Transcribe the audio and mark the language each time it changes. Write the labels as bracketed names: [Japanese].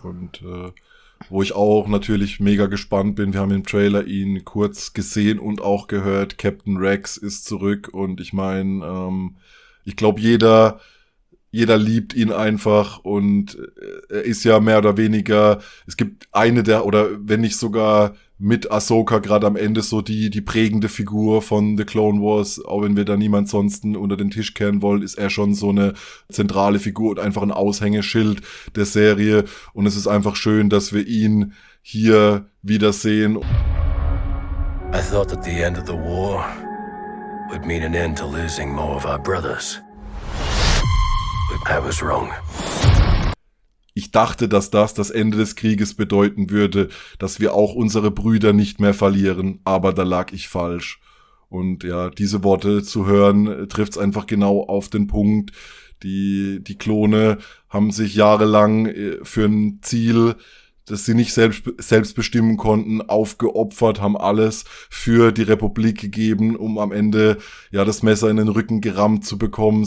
[German] Und wo ich auch natürlich mega gespannt bin, wir haben im Trailer ihn kurz gesehen und auch gehört, Captain Rex ist zurück und ich meine, ich glaube, jeder liebt ihn einfach und er ist ja mehr oder weniger, es gibt eine der, oder wenn nicht sogar mit Ahsoka gerade am Ende so die prägende Figur von The Clone Wars, auch wenn wir da niemand sonst unter den Tisch kehren wollen, ist er schon so eine zentrale Figur und einfach ein Aushängeschild der Serie. Und es ist einfach schön, dass wir ihn hier wiedersehen. [English] I thought that the end of the war would mean an end to losing more of our brothers. But I was wrong. [German] Ich dachte, dass das Ende des Krieges bedeuten würde, dass wir auch unsere Brüder nicht mehr verlieren, aber da lag ich falsch. Und ja, diese Worte zu hören, trifft's einfach genau auf den Punkt. Die Klone haben sich jahrelang für ein Ziel, das sie nicht selbst bestimmen konnten, aufgeopfert, haben alles für die Republik gegeben, um am Ende ja das Messer in den Rücken gerammt zu bekommen.